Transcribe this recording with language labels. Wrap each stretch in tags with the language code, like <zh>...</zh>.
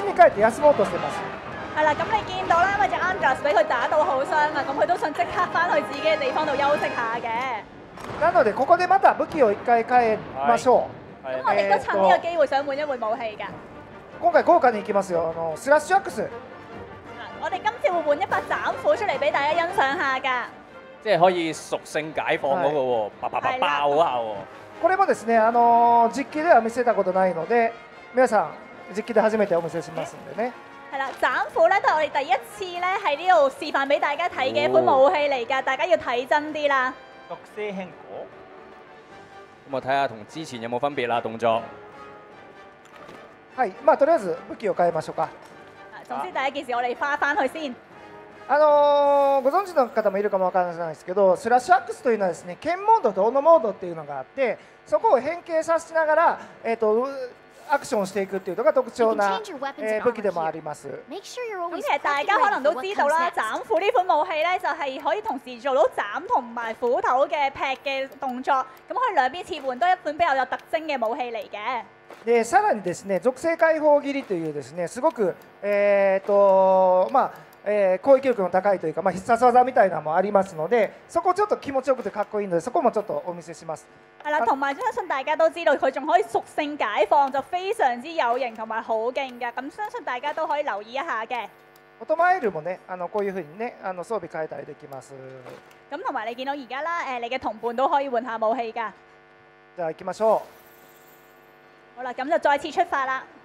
<ja>巣に帰って休もうとしてます。</ja> <yue>系啦，咁你見到啦，咪就 Angus 俾佢打到好傷啊，咁佢都想即刻翻去自己嘅地方度休息下嘅。</yue> <ja>なのでここでまた武器を一回変えましょう。</ja> <yue>咁我哋都趁呢個機會想換一換武器噶。</yue> <ja>今回豪華に行きますよ。スラッシュアックス。</ja> <yue>我哋今次會換一把斬斧出嚟俾大家欣賞下噶。即係可以屬性解放嗰個喎，爆下喎。</yue> <ja>これもですね、実機では見せたことないので、皆さん実機で初めてお見せしますんでね。</ja> <yue>系啦，斬斧咧都系我哋第一次咧喺呢度示范俾大家睇嘅一款武器嚟噶，大家要睇真啲啦。毒蛇輕果，咁我睇下同之前有冇分別啦，動作。</yue> <ja>系，まあとりあえず武器を変えましょうか。</ja> <yue>总之第一件事我哋翻去先。</yue> <ja>ご存知の方もいるかもわからないですけど、スラッシュアックスというのはですね、剣モードと斧モードっていうのがあって、そこを変形させながらアクションしていくっていうのが特徴な武器でもあります。</ja> <yue>其实大家可能都知道啦，斩斧呢款武器咧就系可以同时做到斩同埋斧头嘅劈嘅动作，咁可以两边切换，都一款比较有特征嘅武器嚟嘅。</yue> <ja>でさらにですね、属性解放斬りというですね、すごく攻撃力の高いというか、必殺技みたいなのもありますので、そこちょっと気持ちよくてかっこいいので、そこもちょっとお見せします。</ja> <yue>系啦，同埋相信大家都知道佢仲可以属性解放，就非常之有型同埋好劲噶。咁相信大家都可以留意一下嘅。</yue> <ja>オトマイルもね、こういうふうにね、装備変えたりできます。</ja> <yue>咁同埋你见到而家啦，你嘅同伴都可以换下武器噶。</yue> <ja>じゃあ行きましょう。</ja> <yue>好啦，咁就再次出发啦。</yue>